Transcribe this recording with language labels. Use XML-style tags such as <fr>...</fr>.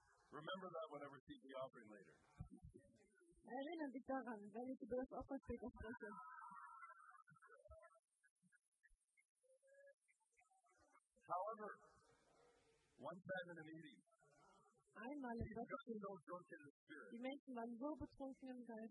<en>Remember that when I receive the offering later.</en> <de>Erinnern dich daran, wenn ich über das Opfer später spreche.</de> <en>However, one time in a meeting,</en> <de>einmal in der Gottesdienst, die Menschen waren so betrunken im Geist,</de>